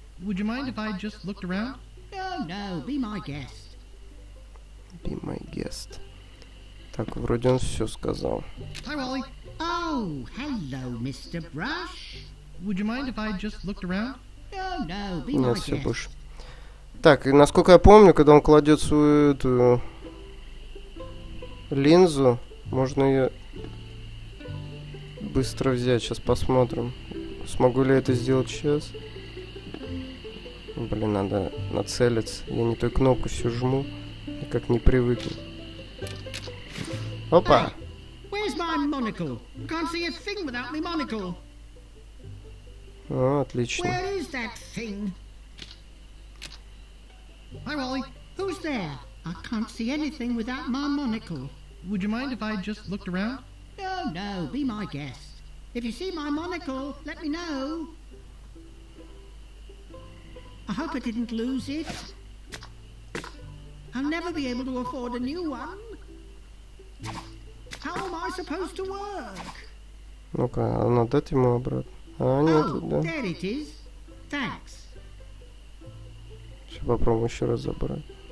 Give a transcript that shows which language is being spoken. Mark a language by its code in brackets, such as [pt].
[en] Would you mind if I just looked around? No, no, be my guest. Be my guest. [ru] Так, вроде он все сказал. [en] Hi, Wally. Oh, hello, Mr. Brush. Would you mind if I just looked around? No, no, be my guest. [ru] Нет, все больше. Так, и насколько я помню, когда он кладет свою эту линзу, можно ее быстро взять. Сейчас посмотрим, смогу ли я это сделать сейчас. Блин, надо нацелиться. Я не той кнопкой все жму, я как не привык. Опа! [en] Where's my monocle? Can't see a thing without my monocle. [ru] О, отлично. [en] Where is that thing? Hi, Wally. Who's there? I can't see anything without my monocle. Would you mind if I just looked around? No, no, be my guest. If you see my monocle, let me know. I hope I didn't lose it. I'll never be able to afford a new one. How am I supposed to work? [ru] Ну-ка, она дать ему обратно. А, нет, oh, да. [en] There it is. Thanks. [ru] Сейчас попробую еще раз забрать.